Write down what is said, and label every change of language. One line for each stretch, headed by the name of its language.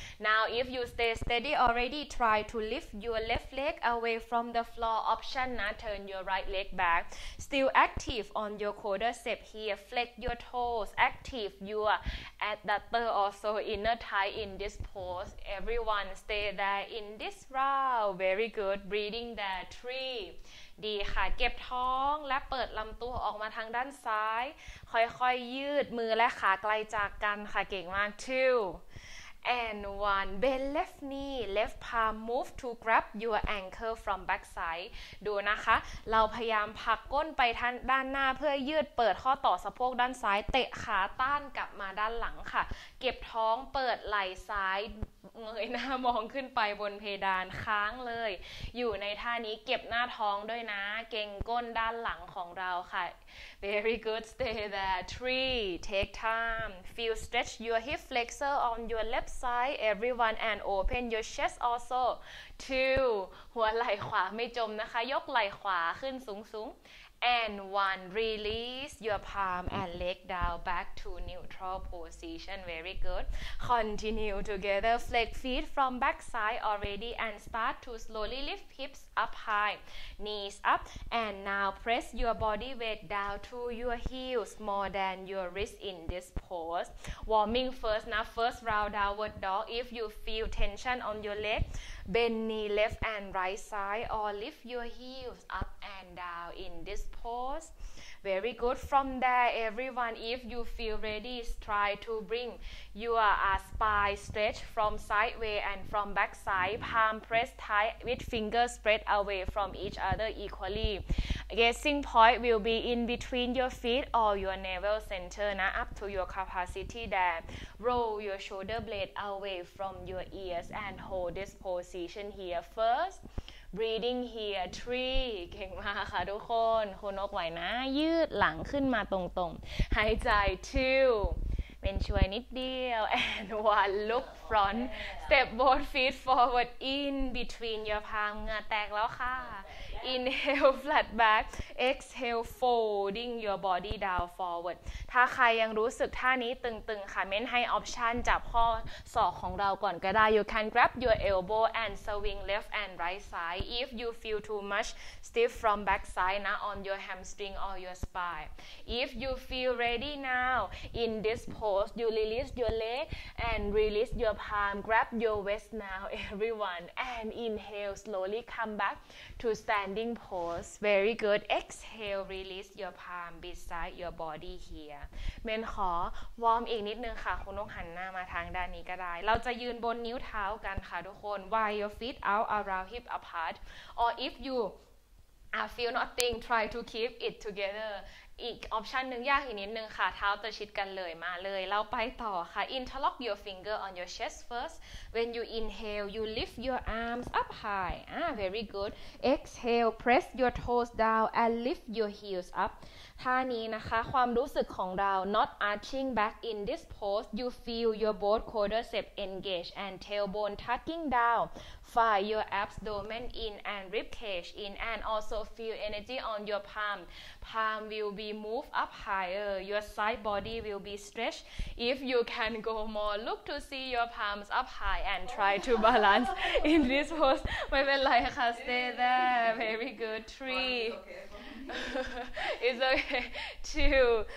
English: Now, if you stay steady already, try to lift your left leg away from the floor. Option now, turn your right leg back. Still active on your quadricep here. Flex your toes. Active your adductor also inner thigh in this pose. Everyone stay there in this round. Very good. Breathing there. Three.
Thai: ดีค่ะเก็บท้องและเปิดลำตัวออกมาทางด้านซ้ายค่อยๆยืดมือและขาไกลจากกันค่ะเก่งมาก
English: Two. And one, bend left knee, left palm move to grab your ankle from back side.
Thai: ดูนะคะเราพยายามผลักก้นไปทางด้านหน้าเพื่อยืดเปิดข้อต่อสะโพกด้านซ้ายเตะขาต้านกลับมาด้านหลังค่ะเก็บท้องเปิดไหล่ซ้ายเงยหน้ามองขึ้นไปบนเพดานค้างเลยอยู่ในท่านี้เก็บหน้าท้องด้วยนะเก่งก้นด้านหลังของเราค่ะ
English: Very good, stay there. Three, take time. Feel stretch your hip flexor on your left side, everyone, and open your chest also. Two,
Thai: หัวไหล่ขวาไม่จมนะคะยกไหล่ขวาขึ้นสูงสูง
English: And one, release your palm and leg down back to neutral position. Very good. Continue together. Flex feet from back side already and start to slowly lift hips up high. Knees up. And now press your body weight down to your heels more than your wrist in this pose. Warming first. Now first round downward dog. If you feel tension on your leg, bend knee left and right side or lift your heels up and down in this pose. Pause. Very good. From there, everyone, if you feel ready, try to bring your spine stretch from sideways and from back side. Palm pressed tight with fingers spread away from each other equally. Guessing point will be in between your feet or your navel center, nah, up to your capacity there. Roll your shoulder blade away from your ears and hold this position here first. Breathing here. Three.
Thai: เก่งมากค่ะทุกคนคุณนกไหวนะยืดหลังขึ้นมาตรงๆหายใจ
English: Two.
Thai: เป็นช่วยนิดเดียว
English: And one. Look front. Step both feet forward in between your palm.
Thai: เหงื่อแตกแล้วค่ะ
English: Inhale. Flat back. Exhale. Folding your body down forward.
Thai: ถ้าใครยังรู้สึกท่านี้ตึงๆค่ะเม้นให้ออปชันจับข้อศอกของเราก่อนก็ได้
English: You can grab your elbow and swing left and right side if you feel too much stiff from back side now on your hamstring or your spine. If you feel ready now in this pose, you release your leg and release your palm. Grab your waist now, everyone. And inhale. Slowly come back to standing pose. Very good. Exhale. Release your palm beside your body here.
Thai: เมนขอวอร์มอีกนิดนึงค่ะคุณนกหันหน้ามาทางด้านนี้ก็ได้เราจะยืนบนนิ้วเท้ากันค่ะทุกคน
English: Why your feet out around hip apart or if you are feel nothing try to keep it together
Thai: อีกออปชันหนึ่งยากอีกนิดนึงค่ะเท้าจะชิดกันเลยมาเลยเราไปต่อค่ะ
English: Interlock your finger on your chest first when you inhale you lift your arms up high very good exhale press your toes down and lift your heels up
Thai: ท่านี้นะคะความรู้สึกของเรา
English: not arching back in this pose you feel your both quadriceps engage and tailbone tucking down find your abdomen in and ribcage in and also feel energy on your palm will be move up higher, your side body will be stretched. If you can go more, look to see your palms up high and try to balance in this pose. My friend Laika, stay there. Very good. Three. It's okay. Two.